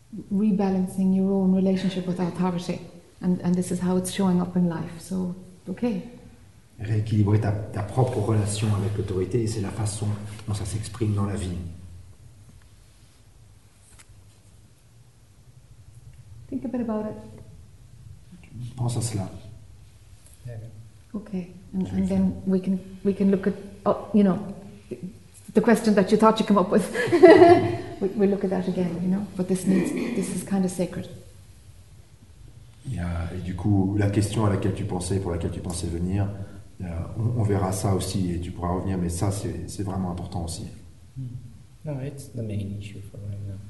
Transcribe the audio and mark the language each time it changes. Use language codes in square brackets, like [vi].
[en] Rebalancing your own relationship with authority, and this is how it's showing up in life. So, okay. [fr] Rééquilibrer ta propre relation avec l'autorité, et c'est la façon dont ça s'exprime dans la vie. [en] Think a bit about it. [fr] Pense à cela. [en] Okay, and then we can look at, you know, the question that you thought you came up with. we look at that again, you know. But this is kind of sacred. [fr] Yeah, et du coup, la question à laquelle tu pensais, pour laquelle tu pensais venir, on verra ça aussi, et tu pourras revenir. Mais ça, c'est vraiment important aussi. [en] No, it's the main issue for right now.